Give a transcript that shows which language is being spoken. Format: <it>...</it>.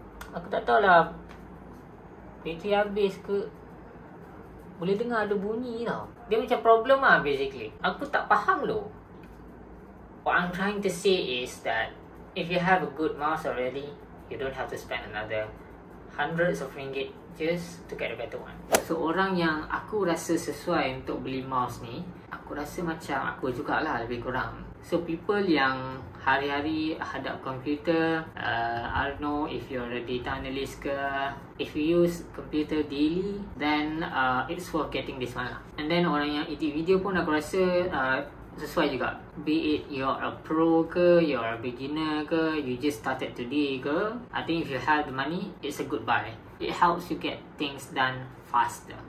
<ms>Aku tak tahulah, bateri habis ke, boleh dengar ada bunyi tau.</ms> <en>Dia macam problem lah basically. Aku tak faham lho. What I'm trying to say is that if you have a good mouse already, you don't have to spend another hundreds of ringgit just to get a better one.</en> <ms>So orang yang aku rasa sesuai untuk beli mouse ni, aku rasa macam aku jugalah lebih kurang.</ms> <en>So people yang hari-hari hadap komputer, I don't know if you're a data analyst ke, if you use computer daily, then it's worth getting this one lah.</en> <ms>And then orang yang edit video pun aku rasa sesuai juga.</ms> <en>Be it you're a pro ke, you're a beginner ke, you just started today ke, I think if you have the money, it's a good buy. It helps you get things done faster.</en>